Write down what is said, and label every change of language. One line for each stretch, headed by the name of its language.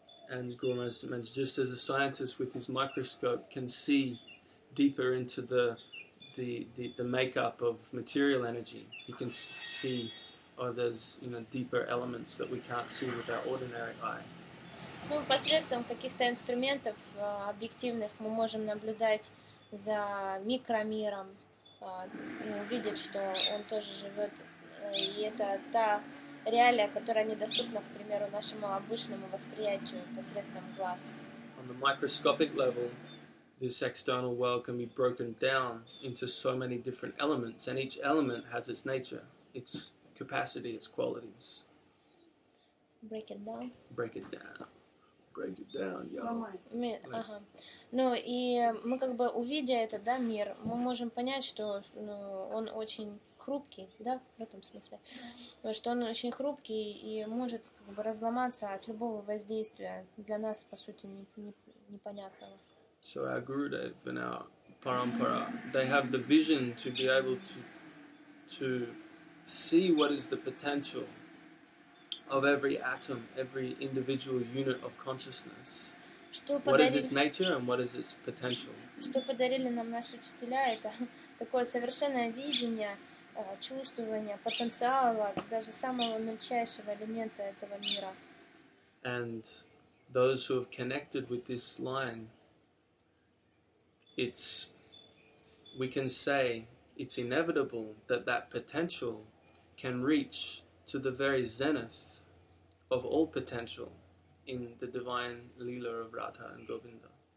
English: And Guru Maharaj mentioned, just as a scientist with his microscope can see deeper into the makeup of material energy, you can see, oh, there's, you know, deeper elements that we can't see with our ordinary eye.
Russian: Ну, посредством каких-то инструментов объективных мы можем наблюдать за микромиром, увидеть, что он тоже живет, и это та реалия, которая недоступна, к примеру, нашему обычному восприятию посредством глаз.
English: On the microscopic level, this external world can be broken down into so many different elements, and each element has its nature, its capacity, its qualities. Break it down. Break it down. Break it down, y'all.
Russian: Ну, и мы как бы, увидя это, да, мир, мы можем понять, что он очень хрупкий, да, в этом смысле, что он очень хрупкий и может как бы разломаться от любого воздействия для нас, по сути, непонятного.
English: So our Gurudev and our Parampara, they have the vision to be able to see what is the potential of every atom, every individual unit of consciousness. What is its nature and what is its potential?
Russian: Что подарили нам наши учителя, это такое совершенное видение, чувствование, потенциала даже самого мельчайшего элемента этого мира.
English: And those who have connected with this line, it's, we can say, it's inevitable that that potential can reach to the very zenith of all potential in the divine lila of Radha and Govinda.